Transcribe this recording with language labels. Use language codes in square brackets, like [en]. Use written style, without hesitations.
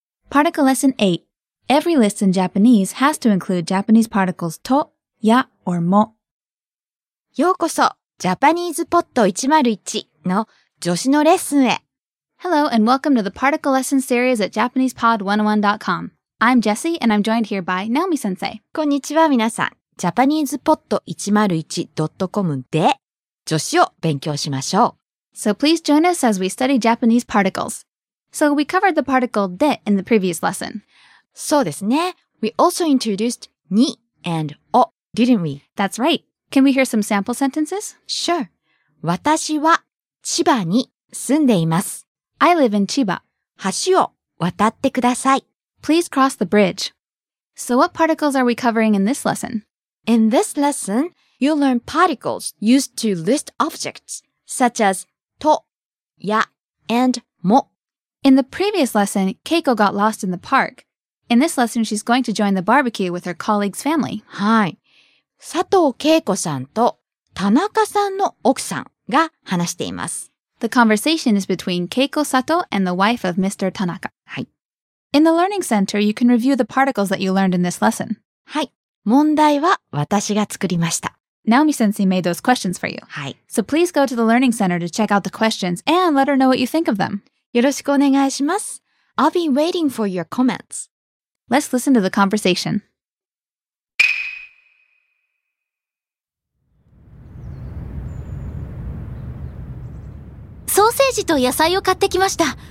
[en] Particle Lesson 8. Every list in Japanese has to include Japanese particles と、や、or も。 [ja] ようこそ、ジャパニーズポッド101の女子のレッスンへ。 [en] Hello and welcome to the Particle Lesson series at JapanesePod101.com. I'm Jessie and I'm joined here by Naomi Sensei. [ja] こんにちは皆さん。ジャパニーズポッド 101.com で女子を勉強しましょう。 [en] So please join us as we study Japanese particles. So we covered the particle de in the previous lesson. [ja] そうですね。 [en] We also introduced に and お, didn't we? That's right. Can we hear some sample sentences? Sure. [ja] 私は千葉に住んでいます。 [en] I live in 千葉。 [ja] 橋を渡ってください。 [en] Please cross the bridge. So what particles are we covering in this lesson? In this lesson, you'll learn particles used to list objects, such as とや and も。 In the previous lesson, Keiko got lost in the park. In this lesson, she's going to join the barbecue with her colleague's family. [ja] はい。佐藤恵子さんと田中さんの奥さんが話しています。 [en] The conversation is between Keiko Sato and the wife of Mr. Tanaka. [ja] はい。 [en] In the learning center, you can review the particles that you learned in this lesson. [ja] はい。問題は私が作りました。 [en] Naomi Sensei made those questions for you. [ja] はい。 [en] So please go to the learning center to check out the questions and let her know what you think of them. [ja] よろしくお願いします。 [en] I'll be waiting for your comments. Let's listen to the conversation. [ja] ソーセージと野菜を買ってきました。